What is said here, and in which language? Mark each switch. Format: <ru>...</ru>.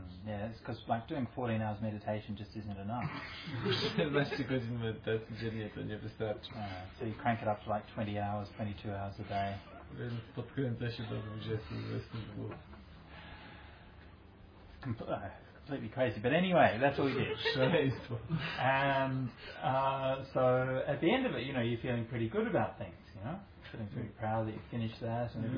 <en>Yeah, because like doing 14 hours meditation just isn't enough.</en> <pl>14 godzin medytacji dziennie to nie wystarczy.</pl> <en>So you crank it up to like 20 hours, 22 hours a day.</en> <pl>Więc podkręca się do 20-22.</pl> <en>Completely crazy, but anyway, that's all we did. And so at the end of it, you know, you're feeling pretty good about things, you know, feeling pretty proud that you finished that.</en>